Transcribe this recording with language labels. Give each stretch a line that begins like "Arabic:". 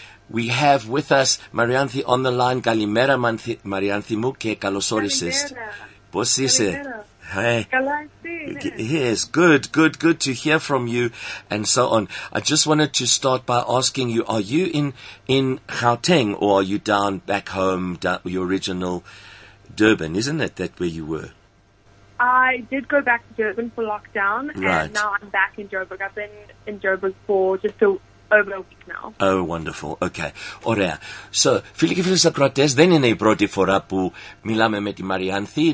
English: We have with us Marianthe on the line.
Greek: Καλημέρα, Marianthe μου, και καλώς όρισες. Πώς είσαι? Καλά, εσύ.
English: Yes, good, good, good to hear from you and so on. I just wanted to start by asking you, are you in Gauteng or are you down back home, down your original Durban? Isn't it that where you were? I did go back to Durban for lockdown, right. And now I'm back in Joburg. I've been in Joburg for just over a week now. Oh, wonderful. Okay.
Greek: Ωραία. So, φίλοι και φίλες ακροατές, δεν είναι η πρώτη φορά που μιλάμε με τη Marianthe.